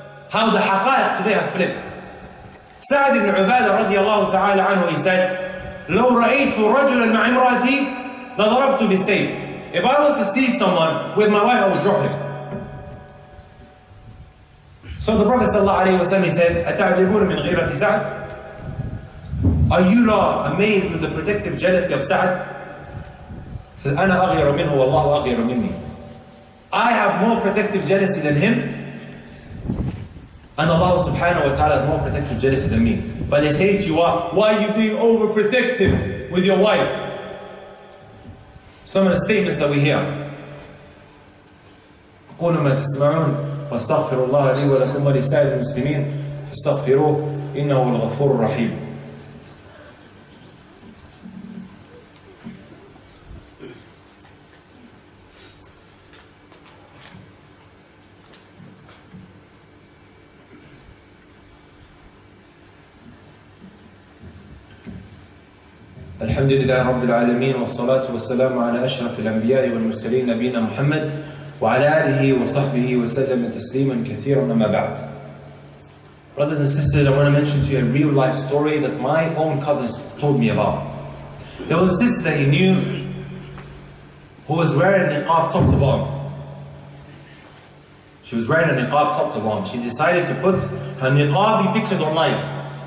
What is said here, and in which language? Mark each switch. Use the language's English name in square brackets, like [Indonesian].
[English] How the haqa'iq today have flipped. Sa'd ibn Ubadah radiallahu ta'ala anhu, he said, [Arabic] لو رأيت رجلا مع امرأتي لضربت بالسيف. [English] If I was to see someone with my wife, I would drop it. So the Prophet sallallahu alayhi wa sallam, he said, [Arabic] أَتَعْجِبُونَ مِنْ غِيْرَةِ سَعْدٍ. [English] Are you not amazed with the protective jealousy of Sa'd? He said, [Arabic] أَنَا أَغْيَرُ مِنْهُ وَاللَّهُ أَغْيَرُ مِنِّي. [English] I have more protective jealousy than him, and Allah subhanahu wa ta'ala has more protective jealousy than me. But they say to you, why are you being overprotective with your wife? Some of the statements that we hear. [Arabic] قُولُ مَا تَسْمَعُونَ وَاسْتَغْفِرُ اللَّهَ لِي وَلَكُمْ وَلِسَائِرِ الْمُسْلِمِينَ فَاسْتَغْفِرُوهُ إِنَّهُ الْغَفُورُ الرَّحِيمُ. الحمد لله رب العالمين والصلاة والسلام على أشرف الأنبياء والمرسلين نبينا محمد وعلى آله وصحبه وسلم تسليما كثيرا ما بعد. [English] Brothers and sisters, I want to mention to you a real life story that my own cousins told me about. There was a sister that he knew who was wearing a niqab top to bottom. She was wearing a niqab top to bottom. She decided to put her niqabi pictures online.